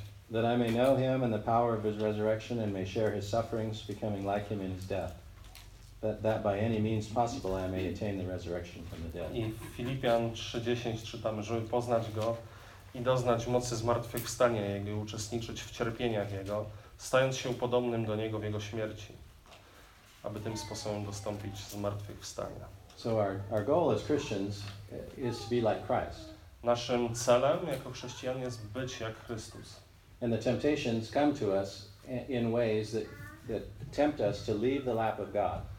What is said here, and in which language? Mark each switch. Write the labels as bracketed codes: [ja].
[en] That I may know him and the power of his resurrection and may share his sufferings, becoming like him in his death. That by any means possible I may attain the resurrection from the dead. [pl] I w Filipian 3:10 czytamy, żeby poznać go i doznać mocy zmartwychwstania jego i uczestniczyć w cierpieniach jego, stając się podobnym do niego w jego śmierci, aby tym sposobem dostąpić zmartwychwstania. [en] So our goal as Christians is to be like Christ. [pl] Naszym celem jako chrześcijan jest być jak Chrystus. [en] And the temptations come to us in ways that tempt us to leave the lap of God.